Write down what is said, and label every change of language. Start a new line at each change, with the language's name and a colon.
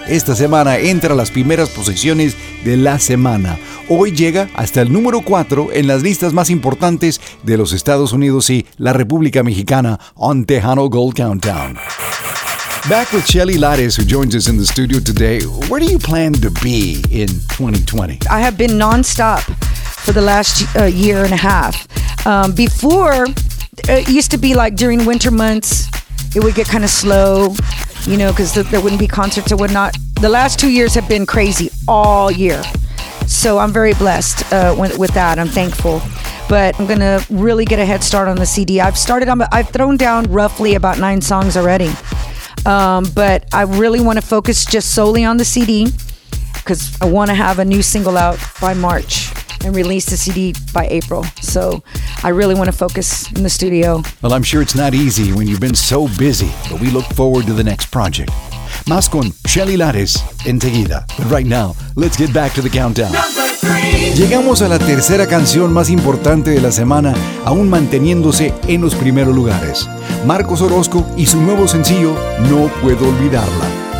Spanish: Esta semana entra a las primeras posiciones de la semana. Hoy llega hasta el número 4 en las listas más importantes de los Estados Unidos y la República Mexicana on Tejano Gold Countdown.
English: Back with Shelly Lares, who joins us in the studio today. Where do you plan to be in 2020? I have been nonstop for the last year and a half. Before, it used to be like during winter months, it would get kind of slow, you know, because there wouldn't be concerts and whatnot. The last 2 years have been crazy all year. So I'm very blessed with that. I'm thankful. But I'm going to really get a head start on the CD. I've thrown down roughly about 9 songs already. But I really want to focus just solely on the CD because I want to have a new single out by March and release the CD by April. So I really want to focus in the studio. Well, I'm sure it's not easy when you've been so busy, but we look forward to the next project.
Spanish: Más con Shelly Lares enseguida.
English: But right now, let's get back to the countdown.
Spanish: Llegamos a la tercera canción más importante de la semana, aún manteniéndose en los primeros lugares. Marcos Orozco y su nuevo sencillo, No Puedo Olvidarla.